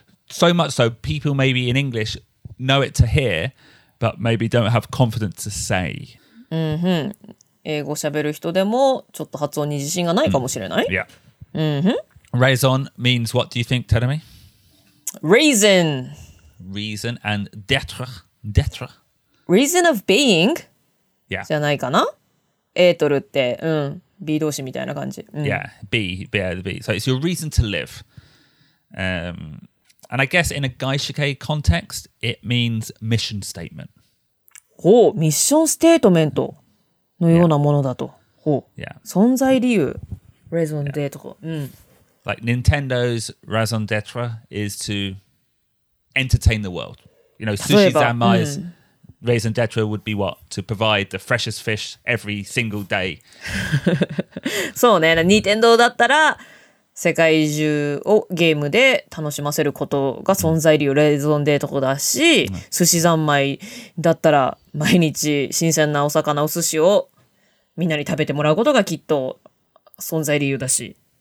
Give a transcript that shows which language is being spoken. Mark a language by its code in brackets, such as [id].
[en] So much so people maybe in English know it to hear, but maybe don't have confidence to say. [ja] うん、英語喋る人でもちょっと発音に自信がないかもしれない。 [en] Mm. Yeah. [ja] うん、 [en] Raison means what do you think, Terumi? Reason. Reason and d'être. D'être. Reason of being? Yeah. [ja] じゃないかな?A とるって、うん。B 動詞みたいな感じ。うん、 [en] yeah, B, B, yeah, the B. So it's your reason to live. And I guess in a gaishike context, it means mission statement. [ja] ほう、ミッションステートメントのようなものだと。 [en] Yeah. [ja] ほう。 [en] Yeah. [ja] 存在理由、raison d'être、yeah. うん。 [en] Like Nintendo's raison d'être is to entertain the world. You know, Sushi Zanmai's...、うんRaison d'être would be what? To provide the freshest fish every single day. [ja] そうね。ニンテンドーだったら世界中をゲームで楽しませることが存在理由、Raison d'être だし、寿司三昧だったら毎日新鮮なお魚、お寿司をみんなに食べてもらうことがきっと存在理由だし。